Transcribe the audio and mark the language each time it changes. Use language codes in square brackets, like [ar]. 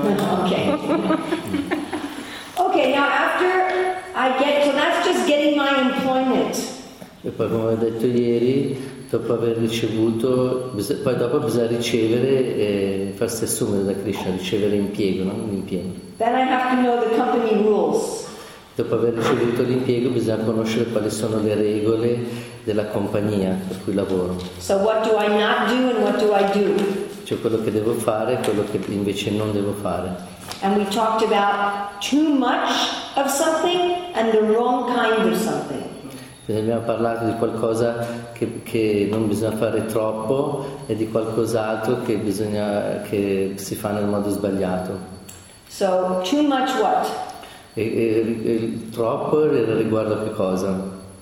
[en] Okay, now after I get, so that's just getting my employment. [it] E poi come ho detto ieri, dopo aver ricevuto, poi dopo bisogna ricevere e farsi assumere da Krishna, ricevere impiego, no? L'impiego. [en] Then I have to know the company rules. [it] Dopo aver ricevuto l'impiego bisogna conoscere quali sono le regole della compagnia per cui lavoro. [en] So what do I not do and what do I do? [it] Cioè quello che devo fare e quello che invece non devo fare. [en] And we talked about too much of something and the wrong kind of something. [it] Abbiamo parlato di qualcosa che non bisogna fare troppo e di qualcos'altro che si fa nel modo sbagliato. [en] So too much what? [it] E troppo riguardo a che cosa?